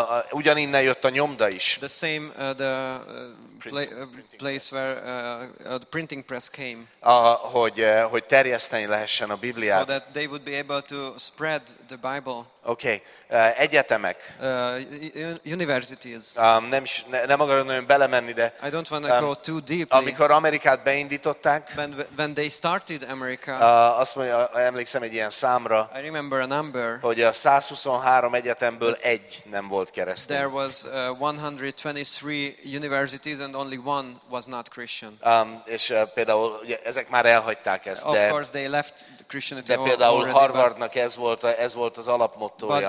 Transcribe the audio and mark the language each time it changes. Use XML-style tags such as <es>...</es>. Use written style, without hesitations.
<hu>Ugyaninnen jött a nyomda is.</hu> <en>The same the place where the printing press came.</en> <hu>Hogy terjeszteni lehessen a Bibliát.</hu> <en>So that they would be able to spread the Bible.</en> <hu>Okay. Egyetemek.</hu> <en>Universities.</en> <hu>Nem akarom nagyon belemenni, de</hu> <en>I don't want to go too deeply.</en> <hu>Amikor Amerikát beindították,</hu> <en>when they started America,</en> <hu>azt mondja, emlékszem egy ilyen számra,</hu> <en>I remember a number,</en> <hu>hogy a 123 egyetemből egy nem volt keresztény.</hu> <en>There was 123 universities and only one was not Christian.</en> <hu>És például ugye, ezek már elhagyták ezt,</hu> <en>of</en> <hu>de</hu> <en>course they left Christianity.</en> <hu>De például</hu> <en>already,</en> <hu>Harvardnak ez volt az alapmottója.</hu>